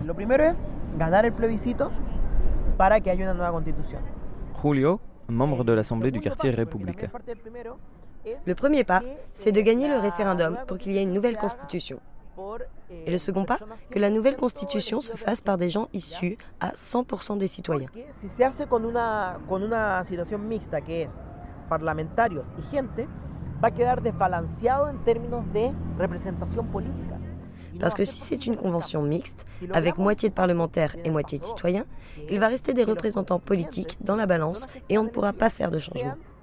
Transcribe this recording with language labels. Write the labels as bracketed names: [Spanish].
[French] Le premier est gagner le plébiscite pour qu'il y ait une nouvelle constitution. Julio, membre de l'Assemblée du quartier Republica. Le premier pas, c'est de gagner le référendum pour qu'il y ait une nouvelle constitution. Et le second pas, que la nouvelle constitution se fasse par des gens issus à 100% des citoyens. [Spanish] Si se hace con una situación mixta que es parlamentarios y gente, va a quedar desbalanceado en términos de representación política. [French] Parce que si c'est une convention mixte, avec moitié de parlementaires et moitié de citoyens, il va rester des représentants politiques dans la balance et on ne pourra pas faire de changement.